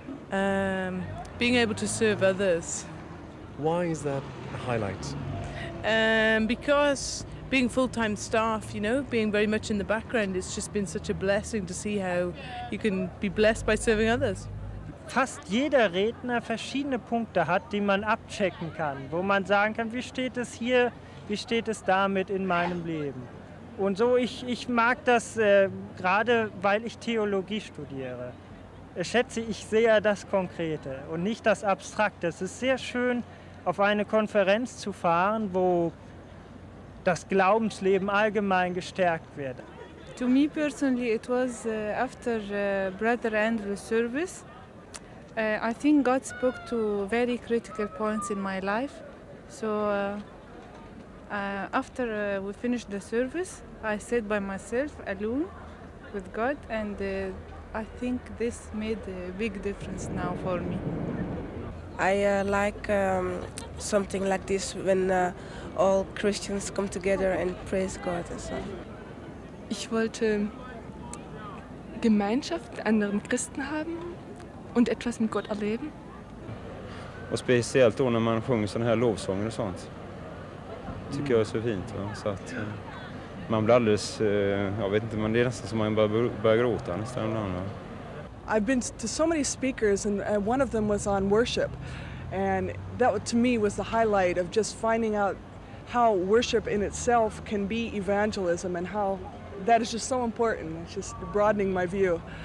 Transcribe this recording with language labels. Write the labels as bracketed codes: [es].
[en] Being able to serve others. Why is that a highlight? Because being full-time staff, you know, being very much in the background, it's just been such a blessing to see how you can be blessed by serving others. [de] Fast jeder Redner verschiedene Punkte hat, die man abchecken kann, wo man sagen kann, wie steht es hier, wie steht es damit in meinem Leben. Und so, ich mag das gerade, weil ich Theologie studiere. Ich schätze, ich sehe das Konkrete und nicht das Abstrakte. Es ist sehr schön, auf eine Konferenz zu fahren, wo das Glaubensleben allgemein gestärkt wird. [en] To me personally, it was after Brother Andrew's service. I think God spoke to very critical points in my life. So after we finished the service, I sat by myself alone with God, and I think this made a big difference now for me. I like something like this when all Christians come together and praise God and so. [de] Ich wollte Gemeinschaft mit anderen Christen haben und etwas mit Gott erleben. [sv] Och speciellt då när man sjunger sådana här lovsånger och sånt. Tycker jag är så fint, va? Så att man blir alldeles, jag vet inte, man är nästan som man börjar gråta nästan ibland. [en] I've been to so many speakers, and one of them was on worship, and that to me was the highlight of just finding out how worship in itself can be evangelism, and how that is just so important. It's just broadening my view.